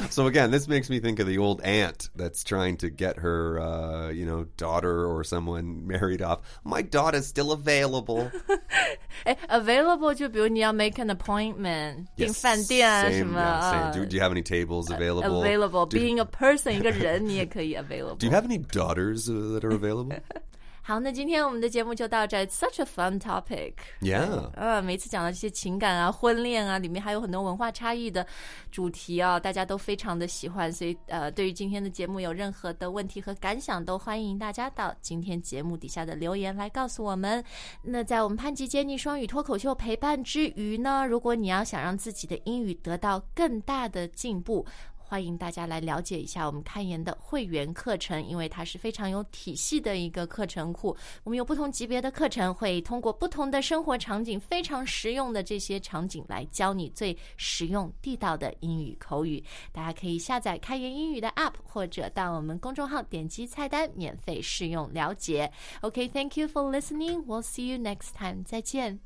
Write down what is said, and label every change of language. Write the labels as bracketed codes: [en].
[en] So again, this makes me think of the old aunt that's trying to get her, you know, daughter or someone married off. My daughter's still available. [zh] Available 就比如你要 [en] make an appointment, [zh] 订饭店啊什么。 [en] Do you have any tables available? Available. Being a person, [zh] 一个人你也可以 [en] available. Do you have any daughters that are available? [zh] 好，那今天我们的节目就到这。 [en] Such a fun topic. Yeah. [zh] 每次讲到这些情感啊、婚恋啊，里面还有很多文化差异的主题啊，大家都非常的喜欢。所以，对于今天的节目有任何的问题和感想，都欢迎大家到今天节目底下的留言来告诉我们。那在我们潘吉杰尼双语脱口秀陪伴之余呢，如果你要想让自己的英语得到更大的进步。欢迎大家来了解一下我们开言的会员课程，因为它是非常有体系的一个课程库。我们有不同级别的课程，会通过不同的生活场景，非常实用的这些场景来教你最实用地道的英语口语。大家可以下载开言英语的 app， 或者到我们公众号点击菜单免费试用了解。 [en] OK, thank you for listening. We'll see you next time. [zh] 再见。